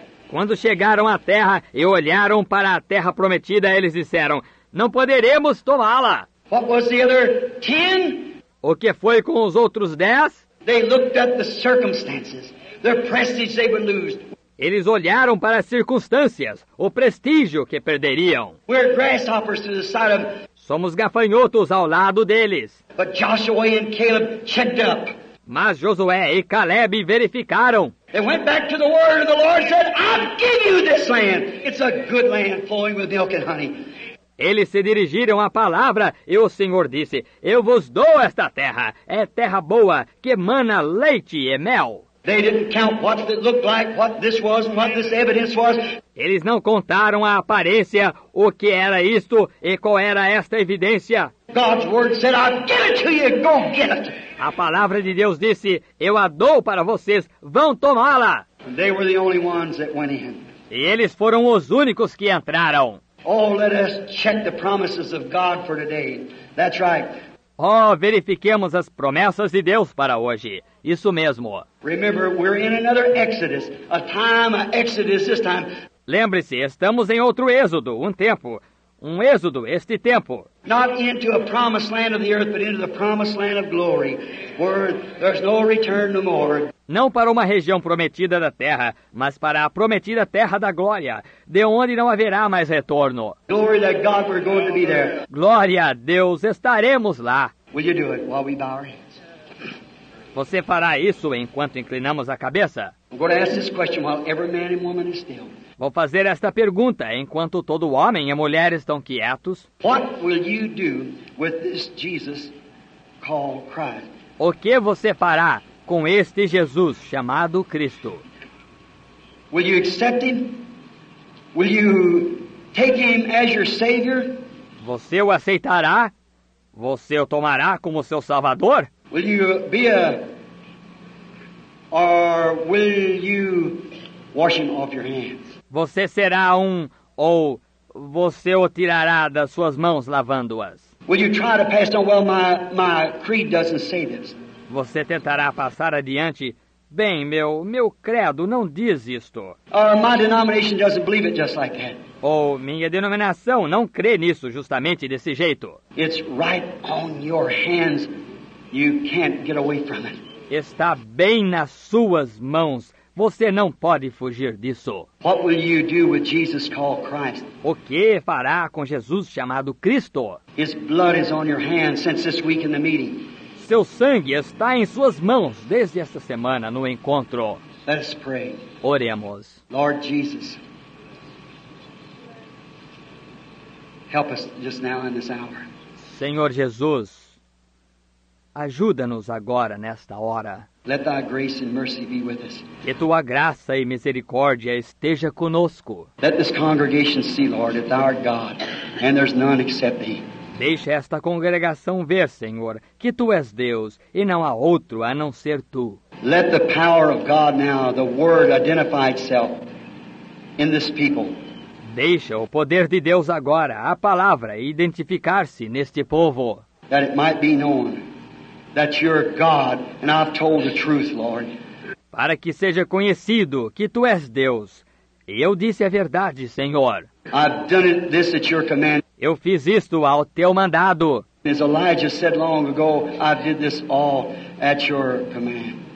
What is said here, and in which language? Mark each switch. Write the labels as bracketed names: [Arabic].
[Portuguese] Quando chegaram à terra e olharam para a terra prometida, eles disseram, não poderemos tomá-la. [English] What was the other 10? [Portuguese] O que foi com os outros 10? [English] They looked at the circumstances, the prestige they would lose. [Portuguese] Eles olharam para as circunstâncias, o prestígio que perderiam. [English] We're grasshoppers to the side of. [Portuguese] Somos gafanhotos ao lado deles. [English] But Joshua and Caleb checked up. [Portuguese] Mas Josué e Caleb verificaram. [English] They went back to the word and the Lord said, I'll give you this land. It's a good land flowing with milk and honey. [Portuguese] Eles se dirigiram à palavra e o Senhor disse, eu vos dou esta terra. É terra boa que emana leite e mel. [English] They didn't count what it looked like, what this was, what this evidence was. [Portuguese] Eles não contaram a aparência, o que era isto e qual era esta evidência. [English] God's word said, I'll give it to you, go get it. [Portuguese] A palavra de Deus disse, eu a dou para vocês, vão tomá-la. [English] They were the only ones that went in. [Portuguese] E eles foram os únicos que entraram. [English] Oh, let us check the promises of God for today. That's right. [Portuguese] Oh, verifiquemos as promessas de Deus para hoje. Isso mesmo. [English] Remember, we're in another exodus. A time, an exodus this time. [Portuguese] Lembre-se, estamos em outro êxodo, um tempo. Um êxodo, este tempo. [English] Not into a promised land of the earth, but into the promised land of glory, where there's no return no more. [Portuguese] Não para uma região prometida da terra, mas para a prometida terra da glória, de onde não haverá mais retorno. [English] Glory to God, we're going to be there. [Portuguese] Glória a Deus, estaremos lá. [English] Will you do it while we bow our heads? [Portuguese] Você fará isso enquanto inclinamos a cabeça? [English] I'm going to ask this question while every man and woman is still. [Portuguese] Vou fazer esta pergunta enquanto todo homem e mulher estão quietos. [English] What will you do with this Jesus called Christ? [Portuguese] O que você fará com este Jesus chamado Cristo? [English] Will you accept him? Will you take him as your savior? [Portuguese] Você o aceitará? Você o tomará como seu salvador? [English] Will you be a or will you washing off your hands? [Portuguese] Você será ou você o tirará das suas mãos lavando-as? [English] Will you try to pass on? Well, my creed doesn't say this. [Portuguese] Você tentará passar adiante? Bem, meu credo não diz isto. [English] My denomination doesn't believe it just like that. [Portuguese] Ou minha denominação não crê nisso justamente desse jeito. [English] It's right on your hands. You can't get away from it. [Portuguese] Está bem nas suas mãos. Você não pode fugir disso. [English] What will you do with Jesus called Christ? [Portuguese] O que fará com Jesus chamado Cristo? [English] His blood is on your hands since this week in the meeting. [Portuguese] Seu sangue está em suas mãos desde esta semana no encontro. [English] Let us pray. [Portuguese] Oremos. [English] Lord Jesus, help us just now in this hour. [Portuguese] Senhor Jesus, ajuda-nos agora nesta hora. [English] Let thy grace and mercy be with us. [Portuguese] Que tua graça e misericórdia esteja conosco. [English] Let this congregation see, Lord, that thou art God, and there's none except thee. [Portuguese] Deixa esta congregação ver, Senhor, que tu és Deus e não há outro a não ser tu. [English] Let the power of God now, the word, identify itself in this people. [Portuguese] Deixa o poder de Deus agora, a palavra, identificar-se neste povo. [English] That it might be known that you're God and I've told the truth, Lord. [Portuguese] Para que seja conhecido que tu és Deus. E eu disse a verdade, Senhor. [English] I've done this at your command. [Portuguese] Eu fiz isto ao teu mandado. [English] As Elijah said long ago, I did this all at your command.